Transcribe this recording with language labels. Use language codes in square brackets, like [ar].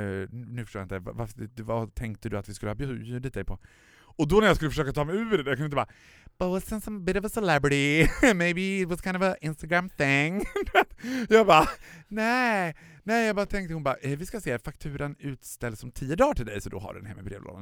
[sv] Nu förstår jag inte, vad tänkte du att vi skulle ha bjudit dig på? Och då när jag skulle försöka ta mig ur det, jag kunde inte bara... [en] But wasn't some bit of a celebrity. Maybe it was kind of an Instagram thing. [sv] Jag bara, nej. Jag bara tänkte, hon bara, vi ska se, fakturan utställs om 10 dagar till dig, så då har du den hemma i brevlådan.